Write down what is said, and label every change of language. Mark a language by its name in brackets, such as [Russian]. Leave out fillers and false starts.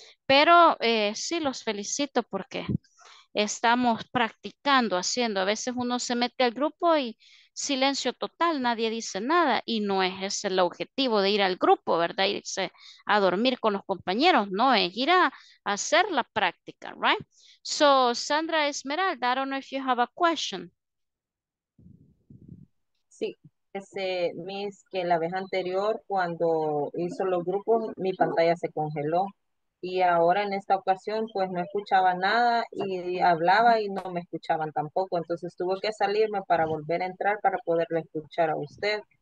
[Spanish] Pero sí los felicito porque estamos practicando, haciendo. A veces uno se mete al grupo y silencio total, nadie dice nada. Y no es ese el objetivo de ir al grupo, ¿verdad? Irse a dormir con los compañeros, no es ir a hacer la práctica, ¿right? [English] So, Sandra Esmeralda, I don't know if you have a question. [Spanish] Sí, ese Miss, que la vez anterior cuando hizo los grupos, mi pantalla se congeló. Y ahora en esta ocasión, pues no escuchaba nada y hablaba y no me escuchaban tampoco. Entonces tuve que salirme para volver a entrar para poderle escuchar a usted.